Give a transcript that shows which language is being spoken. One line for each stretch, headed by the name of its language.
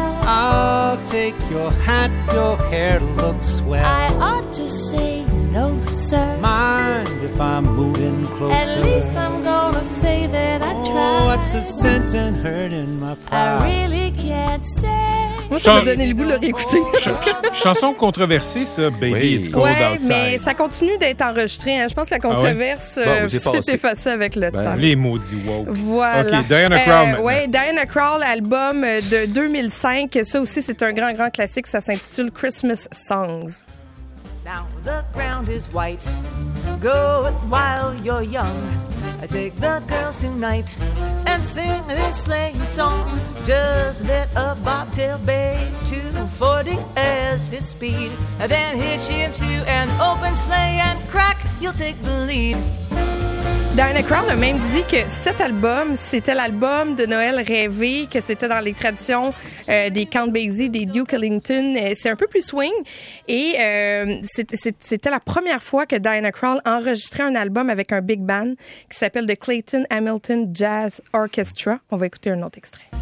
English: I'll take your hat, your hair looks swell. I ought to say no, sir. Mind if I'm moving closer? At least I'm gonna say that I tried. Oh, what's the sense in hurting my pride? I really can't stay.
French: Moi, ça m'a donné le goût de le réécouter. Chanson controversée, ça, Baby, oui.
English: It's Cold Outside.
French: Oui, mais ça continue d'être enregistré. Hein. Je pense que la controverse s'est effacée avec le temps. Les maudits woke. Voilà. OK, Diana Krall maintenant. Oui, Diana Krall, album de 2005. Ça aussi, c'est un grand, grand classique. Ça s'intitule
English: Christmas Songs. Now the ground is white. Go while you're young. I take the girls tonight and sing this sleighing song. Just let a bobtail bay to 40 as his speed. And then hitch him to an open sleigh and crack, you'll take the lead.
French: Diana Krall a même dit que cet album, c'était l'album de Noël rêvé, que c'était dans les traditions des Count Basie, des Duke Ellington. C'est un peu plus swing. Et c'était la première fois que Diana Krall enregistrait un album avec un big band qui s'appelle The Clayton Hamilton Jazz Orchestra. On va écouter un autre extrait.